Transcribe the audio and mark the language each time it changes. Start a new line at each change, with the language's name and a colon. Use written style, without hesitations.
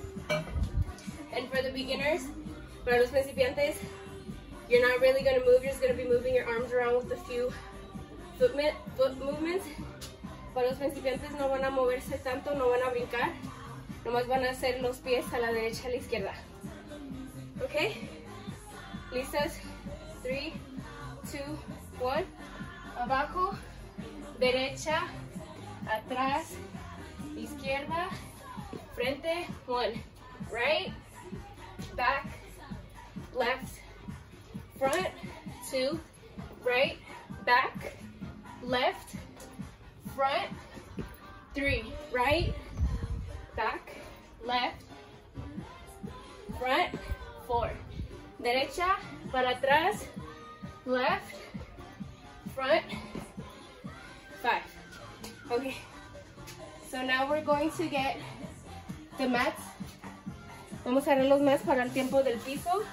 English: And for the beginners,
Spanish: para los principiantes,
English: you're not really going to move. You're just going to be moving your arms around with a few foot movements.
Spanish: Para los principiantes no van a moverse tanto, no van a brincar. Nomás van a hacer los pies a la derecha, a la izquierda. ¿Ok? ¿Listas? 3, 2, 1. Abajo, derecha, atrás, izquierda, frente, 1.
English: Right, back, left, front, 2. Right, back, left, front, three, right, back, left, front, four,
Spanish: derecha, para atrás,
English: left, front, five. Okay, so now we're going to get the mats.
Spanish: Vamos a agarrar los mats para el tiempo del piso.